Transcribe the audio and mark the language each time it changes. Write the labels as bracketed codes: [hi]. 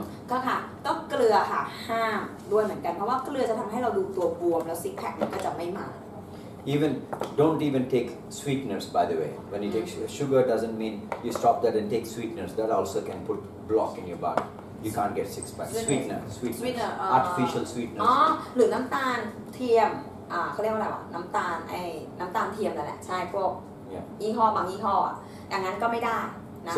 [th] ก็ค่ะต้องเกลือค่ะห้ามด้วยเหมือนกันเพราะว่าเกลือจะทำให้เราดูตัวบวมแล้วซิกแพคก็จะไม่มา [en] Even don't even take sweeteners by the way. When you take sugar doesn't mean you stop that and take sweeteners. That also can put block in your body. You can't get six pack. Sweetener. Artificial sweetener. [th] หรือน้ำตาลเทียมเขาเรียกว่าอะไรวะน้ำตาลไอ้น้ำตาลเทียมนั่นแหละใช่พวก [en] Yeah. [th] ยี่ห้อบางยี่ห้ออ่ะดังนั้นก็ไม่ได้นะคะ